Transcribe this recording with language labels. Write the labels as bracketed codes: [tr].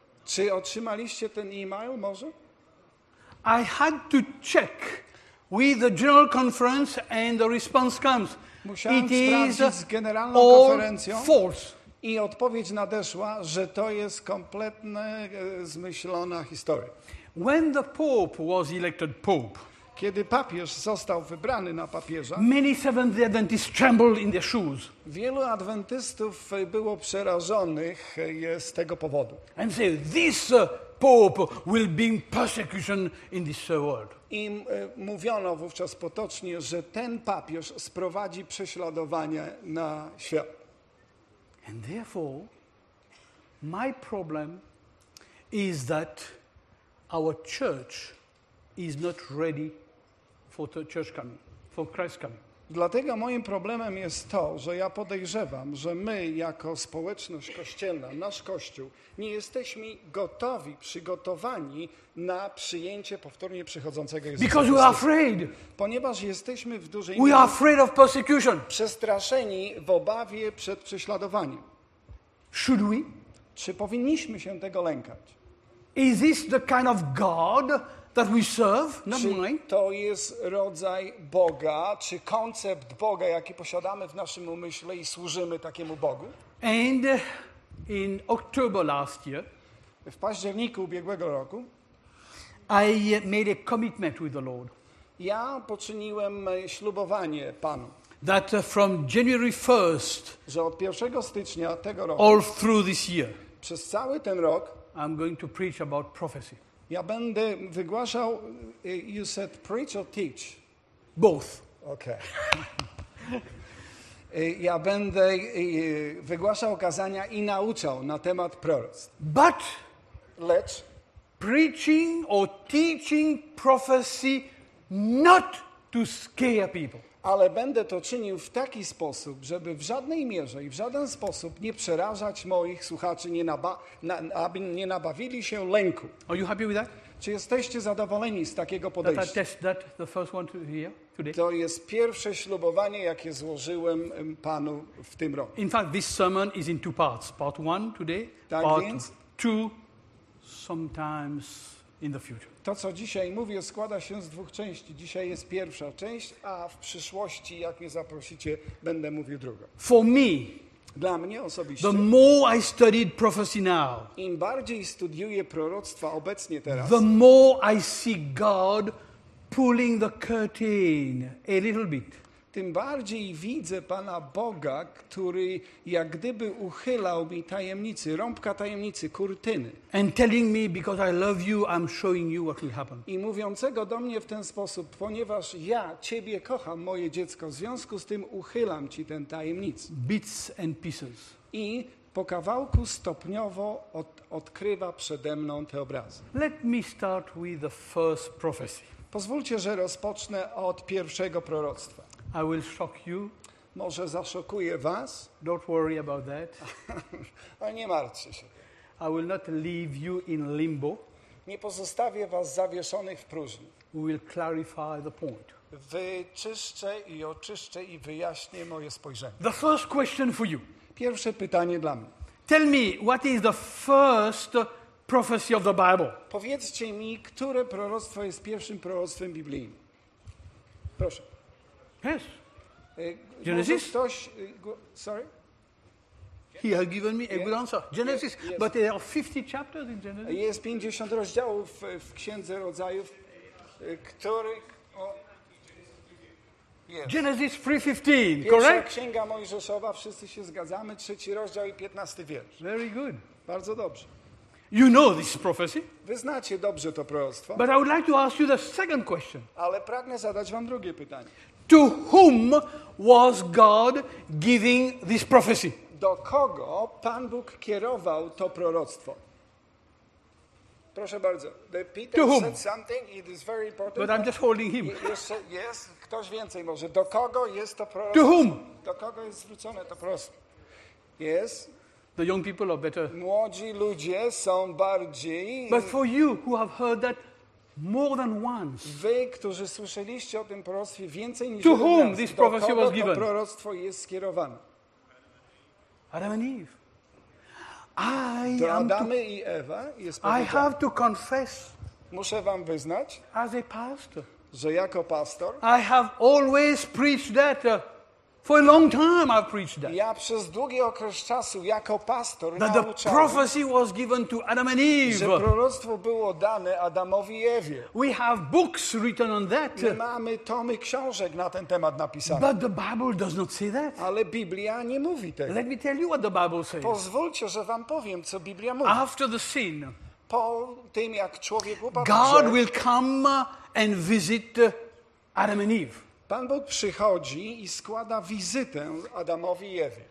[pl] Czy otrzymaliście ten e-mail może? [en] I had to check with the General Conference and the response comes. [pl] Musiałem [en] it [pl] sprawdzić [en] is [pl] z Generalną Konferencją. [en] False. [pl] I odpowiedź nadeszła, że to jest kompletna zmyślona historia. [en] When the Pope was elected Pope, [pl] kiedy papież został wybrany na papieża, [en] many Seventh Adventists trembled in their shoes. [pl] Wielu adwentystów było przerażonych z tego powodu. [en] And say, this Pope will bring persecution in this world. [pl] I mówiono wówczas potocznie, że ten papież sprowadzi prześladowanie na świat. [en] And therefore, my problem is that our church is not ready for the church coming, for Christ coming. [pl] Dlatego moim problemem jest to, że ja podejrzewam, że my jako społeczność kościelna, nasz kościół, nie jesteśmy gotowi, przygotowani na przyjęcie powtórnie przychodzącego Jezusa. [en] Because we are afraid. [pl] Ponieważ jesteśmy w dużej mierze. [en] We are afraid of persecution. [pl] Przestraszeni w obawie przed prześladowaniem. [en] Should we? [pl] Czy powinniśmy się tego lękać? [en] Is this the kind of God that we serve, not mine? [pl] Czy to jest rodzaj Boga, czy koncept Boga, jaki posiadamy w naszym umyśle i służymy takiemu Bogu? [en] And in October last year, [pl] w październiku ubiegłego roku, [en] I made a commitment with the Lord. [pl] Ja poczyniłem ślubowanie Panu. [en] That from January 1st, [pl] że od 1 stycznia tego roku, [en] all through this year, [pl] przez cały ten rok, [en] I'm going to preach about prophecy. [pl] Ja będę wygłaszał, [en] you said preach or teach? Both. Okay. [pl] ja będę wygłaszał kazania i nauczał na temat proroctw. [en] But [pl] lecz [en] preaching or teaching prophecy not to scare people. [pl] Ale będę to czynił w taki sposób, żeby w żadnej mierze i w żaden sposób nie przerażać moich słuchaczy, aby nie nabawili się lęku. [en] Are you happy with that? [pl] Czy jesteście zadowoleni z takiego podejścia? [en] That the first one to hear today? [pl] To jest pierwsze ślubowanie, jakie złożyłem Panu w tym roku. [en] In fact, this sermon is in two parts. Part one today, [pl] tak [en] part [pl] więc, [en] two sometimes in the future. [pl] To, co dzisiaj mówię, składa się z dwóch części. Dzisiaj jest pierwsza część, a w przyszłości, jak mnie zaprosicie, będę mówił drugą. [en] For me, [pl] dla mnie osobiście, [en] the more I studied prophecy now, [pl] im bardziej studiuję proroctwa obecnie teraz, [en] the more I see God pulling the curtain a little bit. [pl] Tym bardziej widzę Pana Boga, który jak gdyby uchylał mi tajemnicy, rąbka tajemnicy, kurtyny. [en] And telling me, because I love you, I'm showing you what will happen. [pl] I mówiącego do mnie w ten sposób, ponieważ ja Ciebie kocham, moje dziecko, w związku z tym uchylam Ci ten tajemnicę. [en] Bits and pieces. [pl] I po kawałku stopniowo odkrywa przede mną te obrazy. [en] Let me start with the first prophecy. [pl] Pozwólcie, że rozpocznę od pierwszego proroctwa. [en] I will shock you. [pl] Może zaszokuję was. [en] Don't worry about that. [pl] Ale nie martwcie się. [en] I will not leave you in limbo. [pl] Nie pozostawię was zawieszonych w próżni. [en] We will clarify the point. [pl] Wyczyszczę i oczyszczę i wyjaśnię moje spojrzenie. [en] The first question for you. [pl] Pierwsze pytanie dla mnie. [en] Tell me, what is the first prophecy of the Bible? [pl] Powiedzcie mi, które proroctwo jest pierwszym proroctwem biblijnym. Proszę. [en] Yes. Genesis. [pl] Ktoś, [en] sorry. He has given me a good answer. Genesis. Yes. But there are 50 chapters in Genesis. [pl] Jest 50 rozdziałów w Księdze Rodzajów, których. [en] Genesis 3:15. Correct. [pl] Pierwsza Księga Mojżeszowa. Wszyscy się zgadzamy. Trzeci rozdział i 15 wiersz. [en] Very good. [pl] Bardzo dobrze. [en] You know this prophecy? [pl] Wy znacie dobrze to proroctwo. [en] But I would like to ask you the second question. [pl] Ale pragnę zadać wam drugie pytanie. [en] To whom was God giving this prophecy? [pl] Do kogo Pan Bóg kierował to proroctwo? Proszę bardzo. Peter [en] to whom? Said something. It is very important. But I'm just holding him. [pl] Jest ktoś więcej może. Do kogo jest to proroctwo? [en] To whom? [pl] Do kogo jest zwrócone to proroctwo? [en] Yes. The young people are better. [pl] Młodzi ludzie są bardziej. [en] But for you who have heard that more than once. [pl] Wy, którzy słyszeliście o tym proroctwie więcej niż [en] to whom this prophecy was given. [pl] To proroctwo jest skierowane. [en] Adam and Eve. I do am [pl] Adamy to, i Ewa jest [en] I have to confess. [pl] Muszę wam wyznać. [en] As a pastor. [pl] Że jako pastor. [en] I have always preached that. For a long time I've preached that. [pl] Ja przez długi okres czasu jako pastor [en] that [pl] nauczałem, [en] the prophecy was given to Adam and Eve. [pl] Że proroctwo było dane Adamowi i Ewie. [en] We have books written on that. [pl] My mamy tomy książek na ten temat napisane. [en] But the Bible does not say that. [pl] Ale Biblia nie mówi tego. [en] Let me tell you what the Bible says. [pl] Pozwólcie, że wam powiem, co Biblia mówi. [en] After the sin, [pl] po tym, jak człowiek upadł, [en] God will come and visit Adam and Eve. [pl] Pan Bóg przychodzi i składa wizytę Adamowi i Ewie.